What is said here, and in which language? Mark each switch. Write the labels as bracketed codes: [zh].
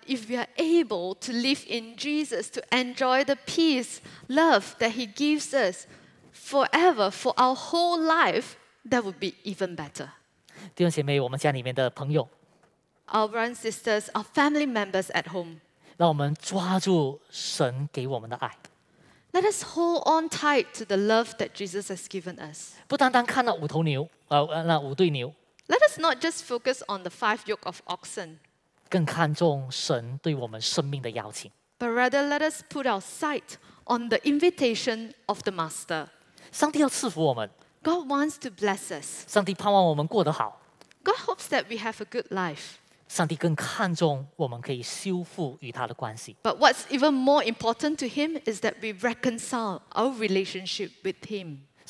[en] if we are able to live in Jesus, to enjoy the peace, love that He gives us forever, for our whole life, that would be even better. [zh] 弟兄姐妹，我们家里面的朋友， [en] our brothers and sisters, our family members at home, [zh] 让我们抓住神给我们的爱。 [en] Let us hold on tight to the love that Jesus has given us. [zh] 不单单看到五头牛, 那五对牛。 [en] Let us not just focus on the five yoke of oxen. [zh] 更看重神对我们生命的邀请。 [en] But rather, let us put our sight on the invitation of the Master. [zh] 上帝要赐福我们。 [en] God wants to bless us. [zh] 上帝盼望我们过得好。 [en] God hopes that we have a good life. [zh] 上帝更看重我们可以修复与他的关系。 [en] But what's even more important to Him is that we reconcile our relationship with Him.